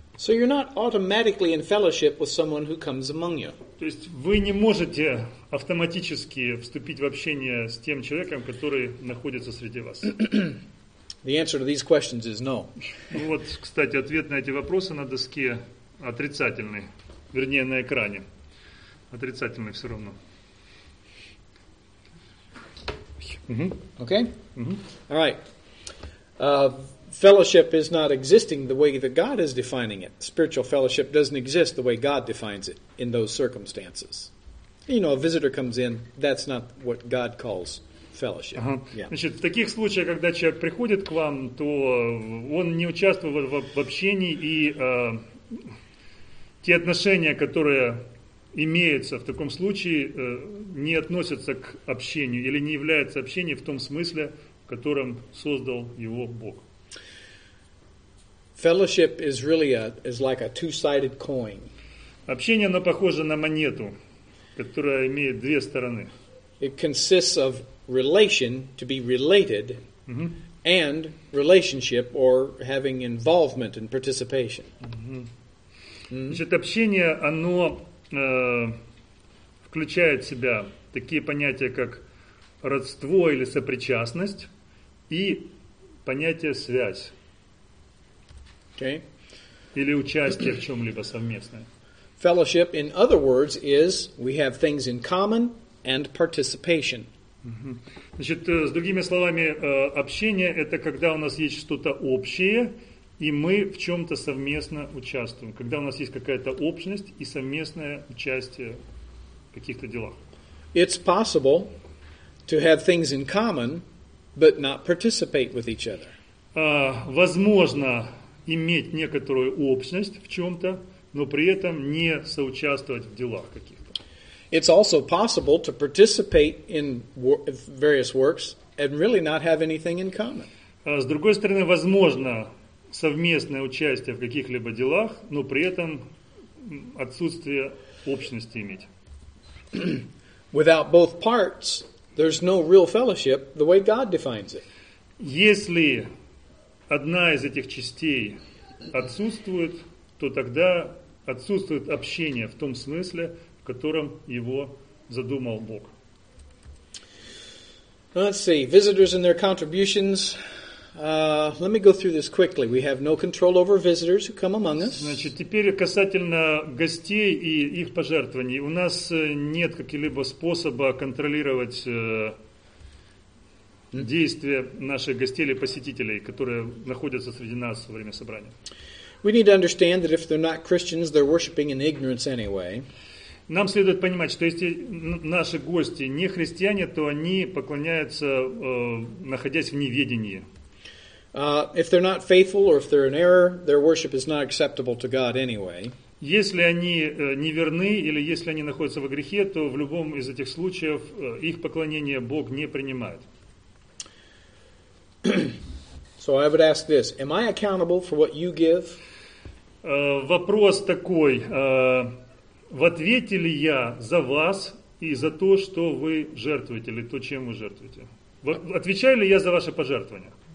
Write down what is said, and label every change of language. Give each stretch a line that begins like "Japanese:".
English: So you're not automatically in fellowship with someone who comes among you.
Russian: То есть вы не можете автоматически вступить в общение с тем человеком, который находится среди вас.
English: The answer to these questions is no.
Russian: Вот, кстати, ответ на эти вопросы на доске отрицательный, вернее, на экране. Отрицательный все равно.
English: Okay? All right. Fellowship is not existing the way that God is defining it. Spiritual fellowship doesn't exist the way God defines it in those circumstances. You know, a visitor comes in, that's not what God calls fellowship. Uh-huh. Yeah.
Russian: Значит, в таких случаях, когда человек приходит к вам, то он не участвует в общении, и те отношения, которые имеются в таком случае, не относятся к общению или не являются общением в том смысле, в котором создал его Бог.
English: Fellowship is really is like a two-sided coin.
Russian: Общение, оно похоже на монету, которая имеет две стороны.
English: It consists of relation to be related and relationship or having involvement and participation.
Russian: Значит, общение, оно включает в себя такие понятия, как родство или сопричастность и понятие связь.
English: Okay.
Russian: Или участие в чем-либо совместное.
English: Fellowship, in other words, is we have things in common and participation.
Russian: Значит, с другими словами, общение – это когда у нас есть что-то общее, и мы в чем-то совместно участвуем. Когда у нас есть какая-то общность и совместное участие в каких-то делах.
English: It's possible to have things in common, but not participate with each other.
Russian: Возможно иметь некоторую общность в чем-то, но при этом не соучаствовать в делах каких-то.
English: It's also possible to participate in various works and really not have anything in common.
Russian: С другой стороны, возможно совместное участие в каких-либо делах, но при этом отсутствие общности иметь.
English: Without both parts, there's no real fellowship the way God defines it.
Russian: Если одна из этих частей отсутствует, то тогда отсутствует общение в том смысле, в котором его задумал Бог.
English: Let's see, visitors and their contributions. Let me go through this quickly. We have no control over visitors who come among us.
Russian: Значит, теперь касательно гостей и их пожертвований. У нас нет каких-либо способа контролировать действия наших гостей или посетителей, которые находятся среди нас во время собрания.
English: We need to understand that if they're not Christians, they're worshiping in ignorance anyway.
Russian: Нам следует понимать, что если наши гости не христиане, то они поклоняются, находясь в неведении.
English: If they're not faithful or if they're in error, their worship is not acceptable to God anyway.
Russian: Если они неверны или если они находятся во грехе, то в любом из этих случаев их поклонение Бог не принимает.
English: So I would ask this: am I accountable for what you give?
Russian: Вопрос такой: в ответе ли я за вас и за то, что вы жертвуете или то, чем вы жертвуете? Отвечаю ли я за ваше пожертвование?